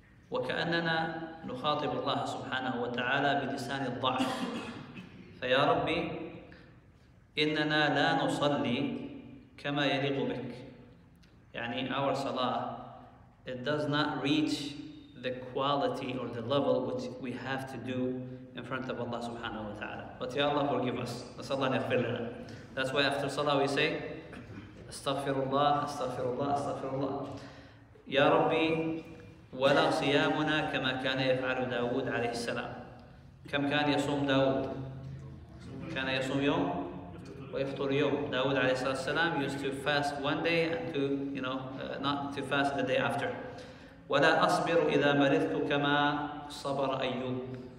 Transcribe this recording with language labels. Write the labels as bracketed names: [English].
[Arabic] وكأننا نخاطب الله سبحانه وتعالى بلسان الضعف، فيا ربي إننا لا نصلي كما يليق بك. [English] يعني our salah, it does not reach the quality or the level which we have to do in front of Allah subhanahu wa ta'ala. But ya Allah forgive us. Nasallahu alayhi wa sallam. That's why after salah we say, Astaghfirullah, Astaghfirullah, Astaghfirullah. [Arabic] Ya Rabbi, wala siyamuna kama kana yaf'alu Dawood alayhi salam. Kam kana yasum Dawood? Kana yasum yawm? ويفطر يوم. داود عليه الصلاة والسلام [English] used to fast one day and to, you know, not to fast the day after. [Arabic] ولا أصبر إذا مرضت كما صبر أيوب.